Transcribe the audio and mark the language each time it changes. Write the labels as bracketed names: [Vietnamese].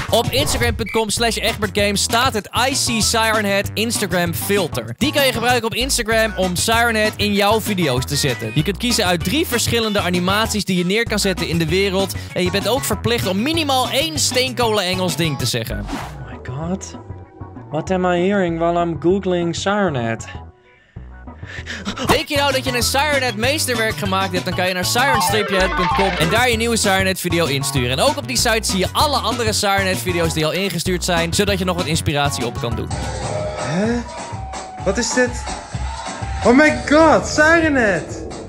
[Dutch] Op Instagram.com/EgbertGames staat het IC Sirenet Instagram filter. Die kan je gebruiken op Instagram om Sirenet in jouw video's te zetten. Je kunt kiezen uit 3 verschillende animaties die je neer kan zetten in de wereld. En je bent ook verplicht om minimaal 1 steenkolen Engels ding te zeggen. [English] Oh my god. What am I hearing while I'm googling Sirenet? [Dutch] Denk je nou dat je een Sirenet meesterwerk gemaakt hebt, dan kan je naar siren-het.com en daar je nieuwe Sirenet video insturen. En ook op die site zie je alle andere Sirenet video's die al ingestuurd zijn, zodat je nog wat inspiratie op kan doen. Hè? Wat is dit? [English] Oh my god, [Dutch] Sirenet!